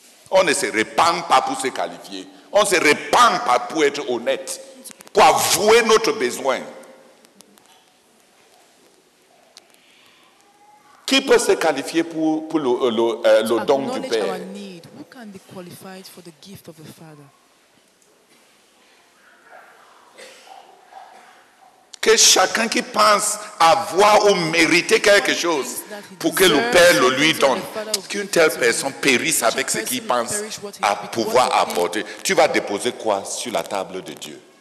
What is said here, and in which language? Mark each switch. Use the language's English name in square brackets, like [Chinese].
[French] On ne se répand pas pour se qualifier. On ne se répand pas pour être honnête, pour avouer notre besoin. Qui peut se qualifier pour le don du Père? [English] And be qualified for the gift of the Father. [French] Que chacun qui pense avoir ou mériter quelque chose pour que le Père le lui donne, qu'une telle personne périsse avec ce qu'il pense à pouvoir apporter, tu vas déposer quoi sur la table de Dieu?